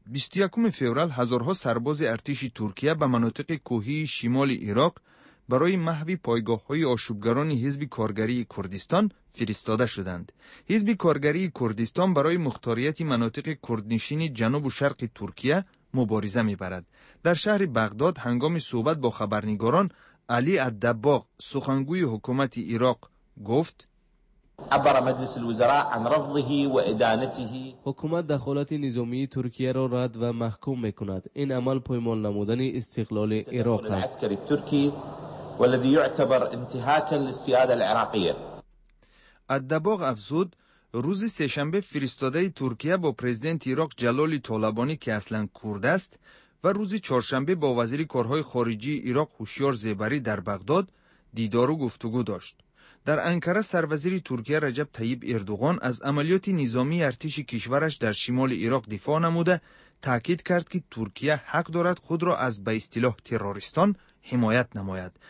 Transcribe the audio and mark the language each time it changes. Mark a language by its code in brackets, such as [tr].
[fa] 21 فوریه هزارها سرباز ارتش ترکیه به مناطق کوهی شمال عراق برای محو پایگاه‌های آشوبگران حزب کارگری کردستان فرستاده شدند. حزب کارگری کردستان برای مختاریت مناطق کردنشین جنوب و شرق ترکیه مبارزه می‌برد. در شهر بغداد هنگام صحبت با خبرنگاران، علی الدباغ سخنگوی حکومت عراق گفت: [ar] عبر مجلس الوزراء عن رفضه وإدانته. [fa] حکومت دخالت نظامی ترکیه را رد و محکوم میکند. این عمل پایمال نمودن استقلال عراق است. [ar] عسكري تركي والذي يعتبر انتهاكا للسياده العراقيه. [fa] الدباغ افزود روز سه‌شنبه فرستاده ترکیه با پرزیدنت عراق جلال طالبانی که اصلا کرد است و روز چهارشنبه با وزیر کارهای خارجی عراق هوشیار زیبری در بغداد دیدار و گفتگو داشت. در انکاره سروزیر ترکیه رجب طیب اردوغان از عملیات نظامی ارتش کشورش در شمال عراق دفاع نموده، تاکید کرد که ترکیه حق دارد خود را از به اصطلاح تروریستان حمایت نماید.